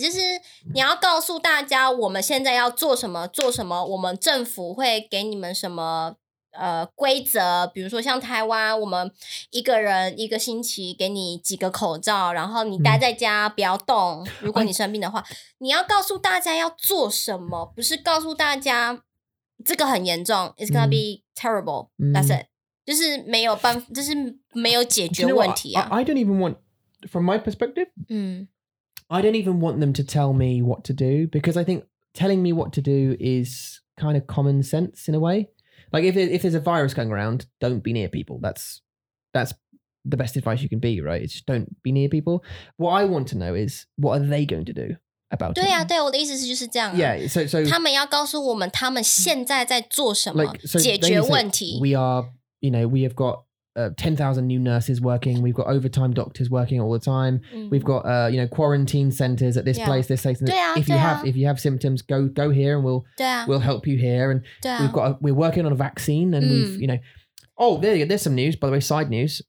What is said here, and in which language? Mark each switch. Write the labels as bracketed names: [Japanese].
[Chinese] 就是你要告诉大家我们现在要做什么, 做什么, 我们政府会给你们什么, 规则, 比如说像台湾, 我们一个人, 一个星期, 给你几个口罩, 然后你待在家, 不要动, 如果你生病的话, 你要告诉大家要做什么, 不是告诉大家, 这个很严重, [English] it's gonna be terrible. That's it. [Chinese] 就是没有办法，就是没有解决问题啊。 [English] You know what? I don't even want, from my perspective, I don't even want them to tell me what to do, because I think telling me what to do is kind of common sense in a way. Like, if there's a virus going around, don't be near people. That's the best advice you can be, right? It's just don't be near people. What I want to know is, what are they going to do about [Chinese] 对啊, [English] it? [Chinese] 对啊，对，我的意思是就是这样啊。 [English] Yeah, so [Chinese] 他们要告诉我们他们现在在做什么, [English] like, so [Chinese] 解决问题。 [English] We are, you know, we have got 10,000 new nurses working. We've got overtime doctors working all the time. We've got, you know, quarantine centers at this place, this place. [Chinese] 对啊, [English] if you have symptoms, go here and we'll help you here. And we're working on a vaccine and we've, you know. Oh, there's some news, by the way, side news.